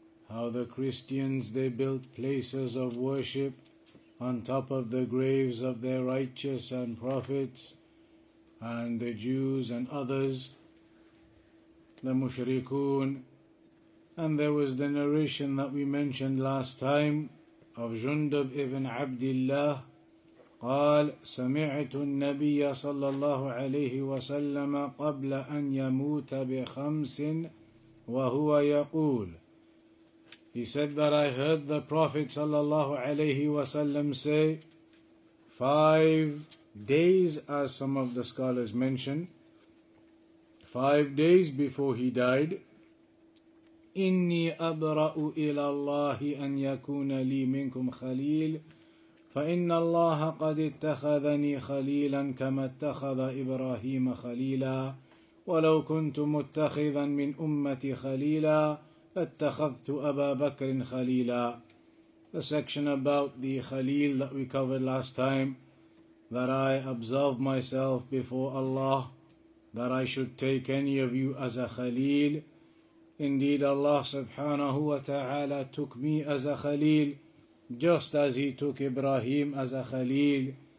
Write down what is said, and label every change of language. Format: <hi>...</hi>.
<en>How the Christians they built places of worship on top of the graves of their righteous and prophets, and the Jews and others, the Mushrikun. And there was the narration that we mentioned last time of Jundub ibn Abdullah.</en> <ar>قال سمعت النبي صلى الله عليه وسلم قبل أن يموت بخمس وهو يقول.</ar> <en>He said that I heard the Prophet sallallahu alayhi wasallam say 5 days, as some of the scholars mention, 5 days before he died.</en> <ar>إني أبرأ إلى الله أن يكون لي منكم خليل فإن الله قد اتخذني خليلا كما اتخذ إبراهيم خليلا ولو كنت متخذا من أمتي خليلا اتخذت أبا بكر خليلا.</ar> <en>The section about the Khalil that we covered last time, that I absolve myself before Allah, that I should take any of you as a Khalil. Indeed, Allah subhanahu wa ta'ala took me as a Khalil, just as He took Ibrahim as a Khalil.</en>